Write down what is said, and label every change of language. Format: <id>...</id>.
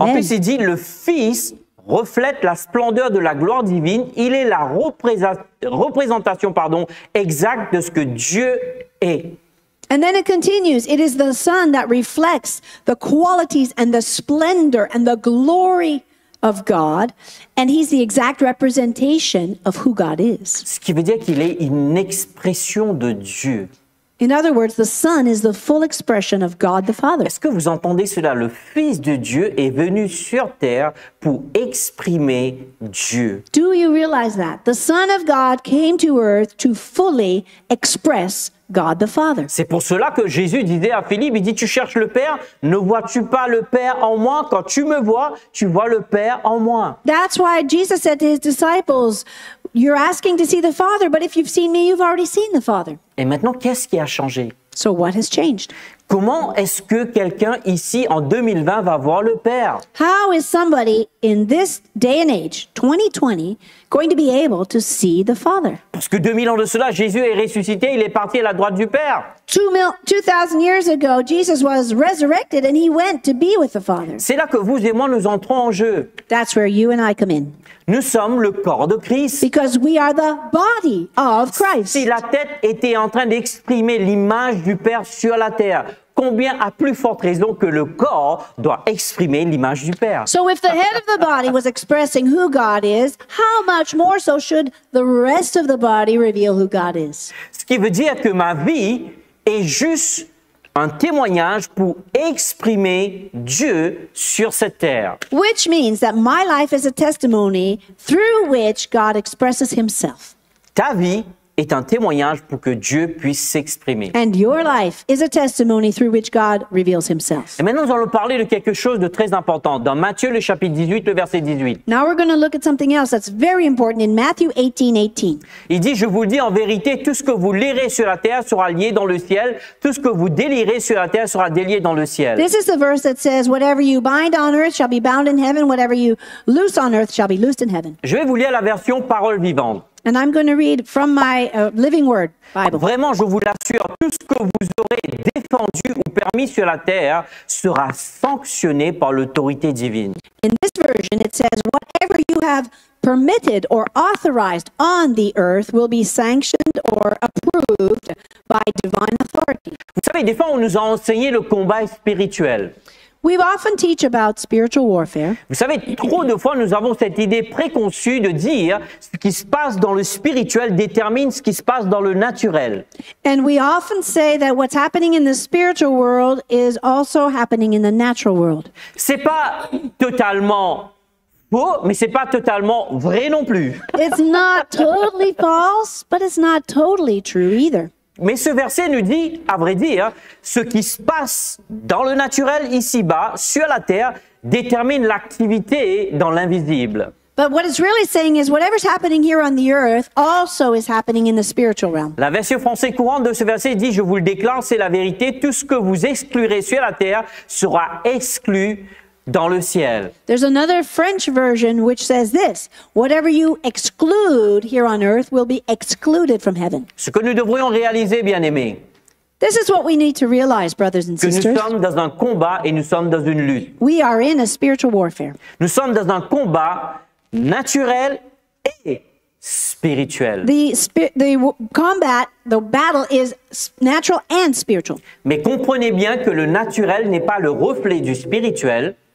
<fr>En plus, il dit, le Fils reflète la splendeur de la gloire divine. Il est la représentation exacte de ce que Dieu est.</fr> <en>And then it continues. It is the Son that reflects the qualities and the splendor and the glory of God. And he's the exact representation of who God is.</en> <fr>Ce qui veut dire qu'il est une expression de Dieu.</fr> <en>In other words, the Son is the full expression of God the Father.</en> <fr>Est-ce que vous entendez cela? Le Fils de Dieu est venu sur terre pour exprimer Dieu.</fr> <en>Do you realize that? The Son of God came to earth to fully express God the Father.</en> <fr>C'est pour cela que Jésus disait à Philippe, il dit, tu cherches le Père, ne vois-tu pas le Père en moi? Quand tu me vois, tu vois le Père en moi.</fr> <en>That's why Jesus said to his disciples, you're asking to see the Father, but if you've seen me, you've already seen the Father.</en> <fr>Et maintenant, qu'est-ce qui a changé?</fr> <en>So what has changed?</en> <fr>Comment est-ce que quelqu'un ici en 2020 va voir le Père?</fr> <en>How is somebody in this day and age, 2020, going to be able to see the Father?</en> <fr>Parce que 2000 ans de cela, Jésus est ressuscité, il est parti à la droite du Père.</fr> <en>2000 years ago, Jesus was resurrected and he went to be with the Father.</en> <fr>C'est là que vous et moi nous entrons en jeu.</fr> <en>That's where you and I come in.</en> <fr>Nous sommes le corps de Christ.</fr> <en>Because we are the body of Christ.</en> <fr>Si la tête était en train d'exprimer l'image du Père sur la terre, combien à plus forte raison que le corps doit exprimer l'image du Père.</fr> <en>So if the head of the body was expressing who God is, how much more so should the rest of the body reveal who God is?</en> <fr>Ce qui veut dire que ma vie est juste un témoignage pour exprimer Dieu sur cette terre.</fr> <en>Which means that my life is a testimony through which God expresses himself.</en> <fr>Ta vie est un témoignage pour que Dieu puisse s'exprimer.</fr> <en>And your life is a testimony through which God reveals himself.</en> <fr>Et maintenant, nous allons parler de quelque chose de très important dans Matthieu, le chapitre 18, le verset 18.</fr> <en>Now we're going to look at something else that's very important in Matthew 18:18.</en> <fr>Il dit, je vous le dis en vérité, tout ce que vous lirez sur la terre sera lié dans le ciel, tout ce que vous délirez sur la terre sera délié dans le ciel.</fr> <en>This is the verse that says, whatever you bind on earth shall be bound in heaven, whatever you loose on earth shall be loosed in heaven.</en> <fr>Je vais vous lire la version Parole Vivante.</fr> <en>And I'm going to read from my Living Word Bible.</en> <fr>Vraiment, je vous l'assure, tout ce que vous aurez défendu ou permis sur la terre sera sanctionné par l'autorité divine.</fr> <en>version, it says, whatever you have permitted or authorized on the earth will be sanctioned or approved by divine authority.</en> <fr>Vous savez, des fois, on nous a enseigné le combat spirituel.</fr> <en>We often teach about spiritual warfare.</en> <fr>Vous savez, trop de fois, nous avons cette idée préconçue de dire ce qui se passe dans le spirituel détermine ce qui se passe dans le naturel.</fr> <en>And we often say that what's happening in the spiritual world is also happening in the natural world.</en> <fr>C'est pas totalement faux, mais c'est pas totalement vrai non plus.</fr> <en>It's not totally false, but it's not totally true either.</en> <fr>Mais ce verset nous dit, à vrai dire, ce qui se passe dans le naturel ici-bas, sur la terre, détermine l'activité dans l'invisible.</fr> <en>But what it's really saying is whatever's happening here on the earth also is happening in the spiritual realm.</en> <fr>La version française courante de ce verset dit, je vous le déclare, c'est la vérité, tout ce que vous exclurez sur la terre sera exclu dans le ciel.</fr> <en>There's another French version which says this: whatever you exclude here on earth will be excluded from heaven.</en> <fr>Ce que nous devrions réaliser, bien-aimés.</fr> <en>This is what we need to realize, brothers and sisters.</en> <fr>Que nous sommes dans un combat et nous sommes dans une lutte.</fr> <en>We are in a spiritual warfare.</en> <fr>Nous sommes dans un combat naturel et spirituel.</fr> <en>The battle is natural and spiritual.</en> <fr>Mais comprenez bien que le naturel n'est pas le reflet du spirituel.</fr>